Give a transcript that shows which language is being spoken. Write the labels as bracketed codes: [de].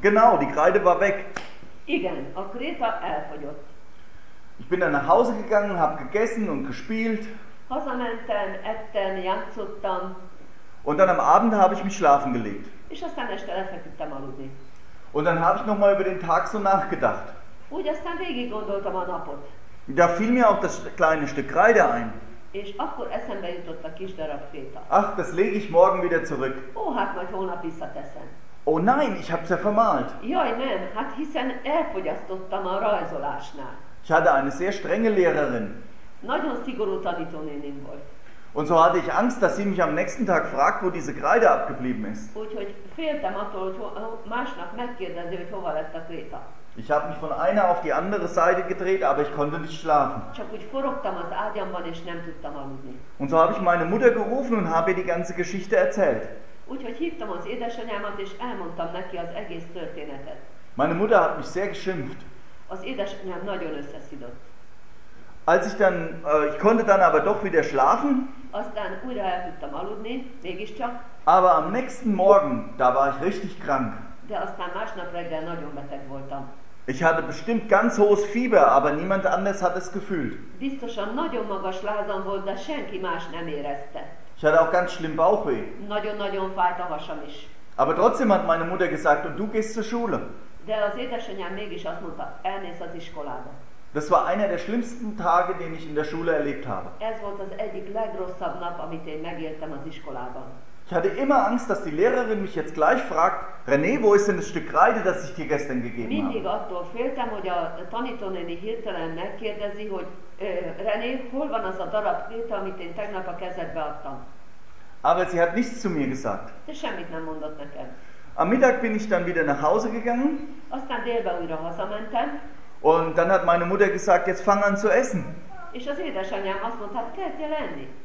[de] Genau, die Kreide war weg. [hu] Igen, a kréta elfogyott. [de] Ich bin dann nach Hause gegangen, habe gegessen und gespielt. [hu] Hazamentem, ettem, játszottam. [de] Und dann am Abend habe ich mich schlafen gelegt. [hu] És aztán este lefeküdtem aludni. [de] Und dann habe ich noch mal über den Tag so nachgedacht. [hu] Úgy aztán végig gondoltam a napot. [de] Da fiel mir auch das kleine Stück Kreide ein. [hu] És akkor eszembe jutott a kis darab kréta. [de] Ach, das lege ich morgen wieder zurück. [hu] Ó, hát majd holnap visszateszem. [de] Oh nein, ich hab's ja vermalt. [hu] Jaj, nem, hát hiszen elfogyasztottam a rajzolásnál. [de] Ich hatte eine sehr strenge Lehrerin. [hu] Nagyon szigorú tanítónéném volt. [de] Und so hatte ich Angst, dass sie mich am nächsten Tag fragt, wo diese Kreide abgeblieben ist. [hu] Úgyhogy féltem attól, hogy másnap megkérdezi, hogy hova lett a kréta. [de] Ich habe mich von einer auf die andere Seite gedreht, aber ich konnte nicht schlafen. [hu] Csak úgy forogtam az ágyamban, és nem tudtam aludni. [de] Und so habe ich meine Mutter gerufen und habe ihr die ganze Geschichte erzählt. [hu] Úgyhogy hívtam az édesanyámat, és elmondtam neki az egész történetet. [de] Meine Mutter hat mich sehr geschimpft. [hu] Az édesanyám nagyon összeszidott. [de] Als ich dann, ich konnte dann aber doch wieder schlafen. [hu] Aztán újra el tudtam aludni, mégiscsak. [de] Aber am nächsten Morgen, da war ich richtig krank. [hu] De aztán másnap reggel nagyon beteg voltam. [de] Ich hatte bestimmt ganz hohes Fieber, aber niemand anders hat es gefühlt. [hu] Biztosan nagyon magas lázam volt, de senki más nem érezte. [de] Ich hatte auch ganz schlimm Bauchweh. [hu] Nagyon-nagyon fájt a hasam is. [de] Aber trotzdem hat meine Mutter gesagt, und du gehst zur Schule. [hu] De az édesanyám mégis azt mondta, elmész az iskolába. [de] Das war einer der schlimmsten Tage, den ich in der Schule erlebt habe. [hu] Ez volt az egyik legrosszabb nap, amit én megéltem az iskolában. [de] Ich hatte immer Angst, dass die Lehrerin mich jetzt gleich fragt, René, wo ist denn das Stück Kreide, das ich dir gestern gegeben habe? [hu] Mindig attól féltem, hogy a tanítónéni hirtelen megkérdezi, hogy René, hol van az a darab kréte, amit én tegnap a kezedbe adtam? [de] Aber sie hat nichts zu mir gesagt. [hu] De semmit nem mondott nekem. [de] Am Mittag bin ich dann wieder nach Hause gegangen. [hu] Aztán délben újra hazamentem. [de] Und dann hat meine Mutter gesagt, jetzt fang an zu essen. [hu] És az édesanyám azt mondta, hát kezdjél enni.